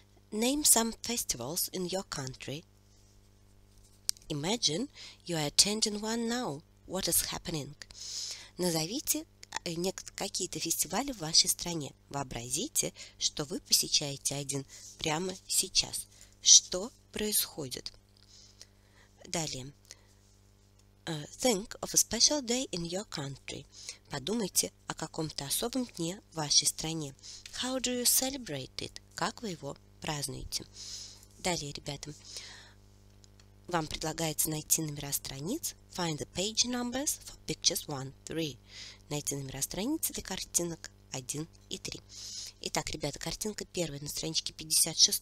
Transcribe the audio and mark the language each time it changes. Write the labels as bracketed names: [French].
[English] Name some festivals in your country. Imagine you are attending one now. What is happening? [Russian] Назовите какие-то фестивали в вашей стране. Вообразите, что вы посещаете один прямо сейчас. Что происходит? Далее. [English] Think of a special day in your country. [Russian] Подумайте о каком-то особом дне в вашей стране. [English] How do you celebrate it? [Russian] Как вы его празднуете? Далее, ребята. Вам предлагается найти номера страниц. [English] Find the page numbers for pictures 1, 3. [Russian] Найти номера страницы для картинок 1 и 3. Итак, ребята, картинка первая на страничке 56.